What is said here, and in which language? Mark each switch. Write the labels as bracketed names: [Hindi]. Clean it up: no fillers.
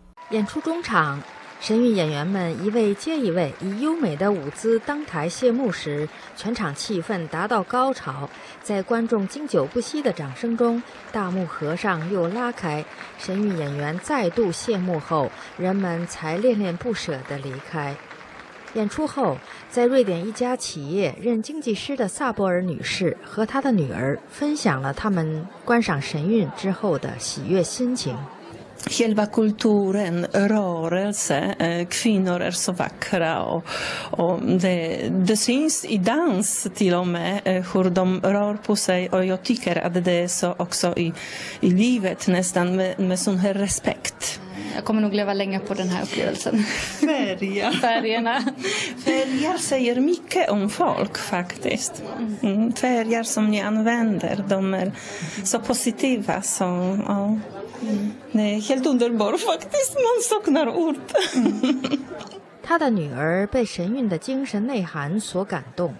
[Chinese] 演出中场，神韵演员们一位接一位以优美的舞姿登台谢幕时，全场气氛达到高潮，在观众经久不息的掌声中，大幕合上又拉开，神韵演员再度谢幕后，人们才恋恋不舍地离开。演出后，在瑞典一家企业任经济师的萨博尔女士和她的女儿分享了他们观赏神韵之后的喜悦心情。 [Swedish] Själva kulturen, rörelse, kvinnor är så vackra och det syns i dans till och med hur de rör på sig, och jag tycker att det är så också i livet nästan med sån här respekt. Jag kommer nog leva länge på den här upplevelsen. Färgerna. Färger säger mycket om folk faktiskt. Färger som ni använder, de är så positiva så ja. Nej, helt underbar faktiskt. Man saknar ord. [Chinese] 他的女儿被神韵的精神内涵所感动。